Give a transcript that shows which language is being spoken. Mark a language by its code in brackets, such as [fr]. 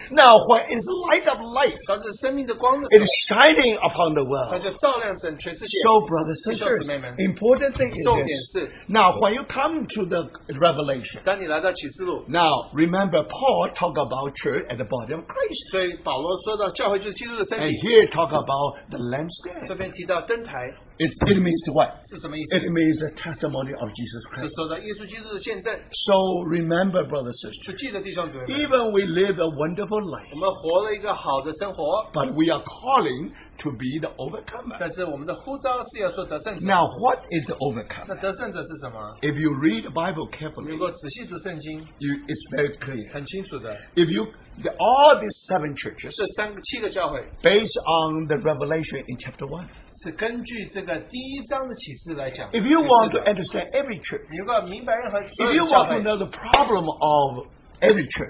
[en] now, when it's the light of life, [zh] 它是生命的光, [en] it is shining upon the world. [zh] 它就照亮整全世界, [en] so, brothers and sisters, important thing is this. Now, when you come to the revelation, [zh] 当你来到启示录, [en] now, remember, Paul talked about church at the body of Christ. [zh] 所以保罗说到教会就是基督的身体, [en] and here talk about the lampstand. [zh] 这边提到灯台, [en] it means what? [zh] 是什么意思? [en] It means the testimony of Jesus Christ. [zh] 是说到耶稣基督的见证, [en] so, remember, brothers and sisters, [zh] 就记得弟兄姊妹, [en] even we live a wonderful life, [zh] 我们活了一个好的生活, [en] but we are calling to be the overcomer. [zh] 但是我们的呼召是要做得胜者。 [en] Now, what is the overcomer? [zh] 那得胜者是什么? [en] If you read the Bible carefully, [zh] 如果仔细读圣经, [en] you, it's very clear. [zh] 很清楚的, [en] if you, the, all these seven churches, [zh] 这三个七个教会, [en] based on the revelation in chapter 1, [zh] 是根据这个第一章的启示来讲, [en] if you want to understand every church, [zh] 如果明白任何教会, [en] if you want to know the problem of every church,